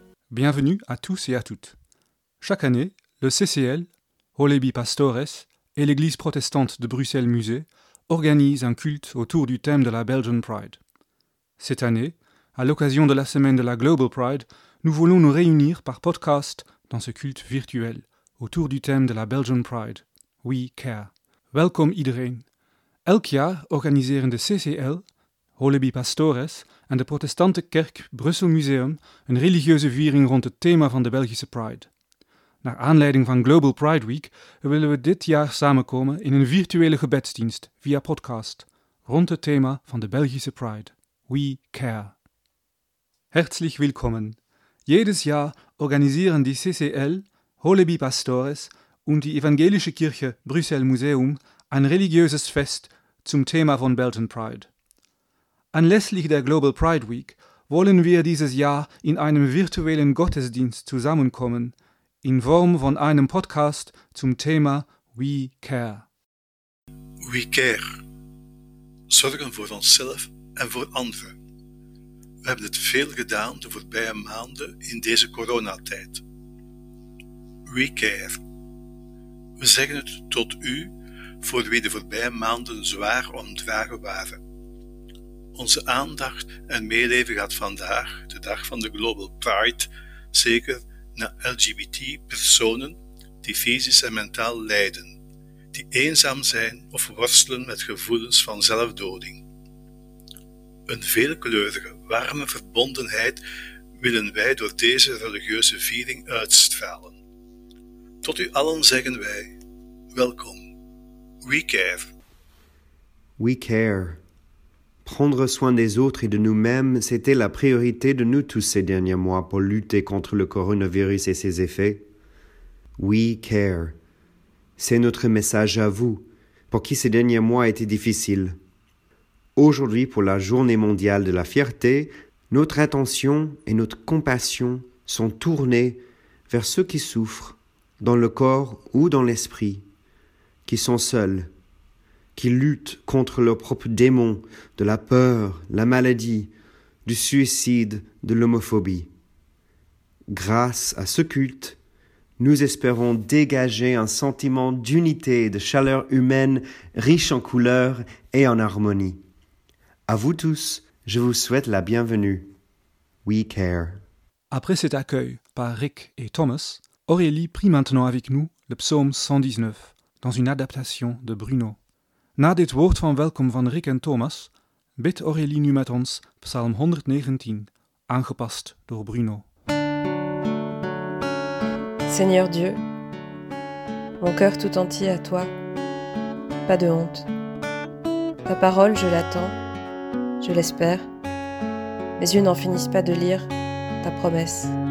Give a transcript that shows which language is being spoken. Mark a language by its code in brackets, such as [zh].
[fr] Bienvenue à tous et à toutes. Chaque année, le CCL, Holebi Pastores, et l'église protestante de Bruxelles Musée organisent un culte autour du thème de la Belgian Pride. Cette année, à l'occasion de la semaine de la Global Pride, nous voulons nous réunir par podcast dans ce culte virtuel autour du thème de la Belgian Pride. [en] We care. Welcome [nl] iedereen. Elk jaar organiseren de CCL, Holebi Pastores en de protestante kerk Brussel Museum een religieuze viering rond het thema van de Belgische Pride. Naar aanleiding van Global Pride Week willen we dit jaar samenkomen in een virtuele gebedsdienst via podcast rond het thema van de Belgische Pride. [en] We care. [de] Herzlich willkommen. Jedes Jahr organisieren die CCL, Holebi Pastores und die Evangelische Kirche Brüssel Museum ein religiöses Fest zum Thema von Belgian Pride. Anlässlich der Global Pride Week wollen wir dieses Jahr in einem virtuellen Gottesdienst zusammenkommen, in Form von einem Podcast zum Thema We Care. [en] We Care. [nl] Zorgen voor onszelf en voor anderen. We hebben het veel gedaan de voorbije maanden in deze coronatijd. [en] We Care. [nl] We zeggen het tot u voor wie de voorbije maanden zwaar omdragen waren. Onze aandacht en meeleven gaat vandaag, de dag van de Global Pride, zeker naar LGBT-personen die fysisch en mentaal lijden, die eenzaam zijn of worstelen met gevoelens van zelfdoding. Een veelkleurige, warme verbondenheid willen wij door deze religieuze viering uitstralen. Tot u allen zeggen wij, welkom. [en] We care. We care. [fr] Prendre soin des autres et de nous-mêmes, c'était la priorité de nous tous ces derniers mois pour lutter contre le coronavirus et ses effets. [en] We care. [fr] C'est notre message à vous, pour qui ces derniers mois étaient difficiles. Aujourd'hui, pour la Journée mondiale de la fierté, notre attention et notre compassion sont tournées vers ceux qui souffrent, dans le corps ou dans l'esprit, qui sont seuls, qui luttent contre leurs propres démons, de la peur, la maladie, du suicide, de l'homophobie. Grâce à ce culte, nous espérons dégager un sentiment d'unité et de chaleur humaine riche en couleurs et en harmonie. À vous tous, je vous souhaite la bienvenue. [en] We care. [fr] Après cet accueil par Rick et Thomas, Aurélie prie maintenant avec nous le psaume 119 dans une adaptation de Bruno. [nl] Na dit woord van welkom van Rick en Thomas, bidt Aurélie nu met ons Psalm 119, aangepast door Bruno. [fr] Seigneur Dieu, mon cœur tout entier à toi, pas de honte. Ta parole, je l'attends, je l'espère. Mes yeux n'en finissent pas de lire ta promesse.